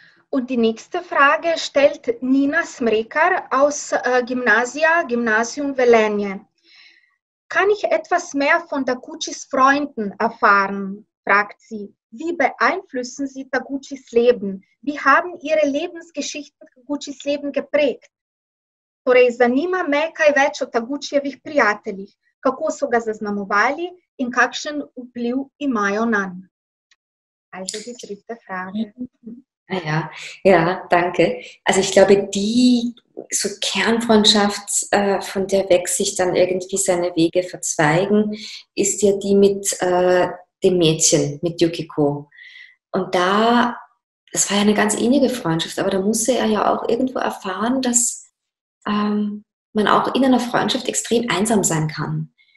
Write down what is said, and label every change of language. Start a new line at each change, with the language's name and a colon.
German: Und die nächste Frage stellt Nina Smrekar aus Gymnasium Velenje. Kann ich etwas mehr von Taguchis Freunden erfahren, fragt sie. Wie beeinflussen sie Taguchis Leben? Wie haben ihre Lebensgeschichten Taguchis Leben geprägt?
Slovenian: Torej, zanima me kaj več o Tagučijevih prijateljih. Kako so ga zaznamovali in kakšen vpliv imajo nanj?
German: Also die dritte Frage. Ja, danke. Also ich glaube, die so Kernfreundschaft, von der weg sich dann irgendwie seine Wege verzweigen, ist ja die mit dem Mädchen, mit Yukiko. Und da, das war ja eine ganz innige Freundschaft, aber da musste er ja auch irgendwo erfahren, dass man auch in einer Freundschaft extrem einsam sein kann.